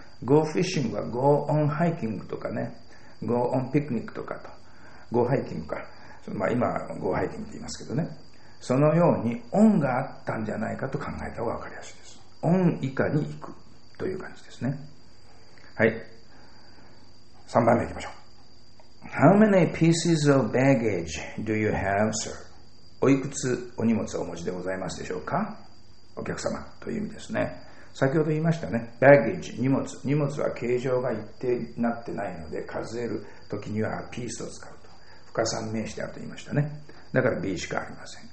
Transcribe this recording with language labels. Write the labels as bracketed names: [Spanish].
[English] Go fishing [Japanese] は [English] Go on hiking [Japanese] とかね、 [English] Go on picnic [Japanese] とかと、 [English] Go hiking [Japanese] か、まあ、今は Go hiking と言いますけどね、そのように on があったんじゃないかと考えた方が分かりやすいです。 on 以下に行くという感じですね。はい。3番目いきましょう。 [English] How many pieces of baggage do you have, sir? [Japanese] おいくつお荷物をお持ちでございますでしょうか、お客様という意味ですね。先ほど言いましたね、 baggage 荷物、荷物は形状が一定になってないので数えるときには piece を使うと、不可算名詞であると言いましたね。だから B しかありません。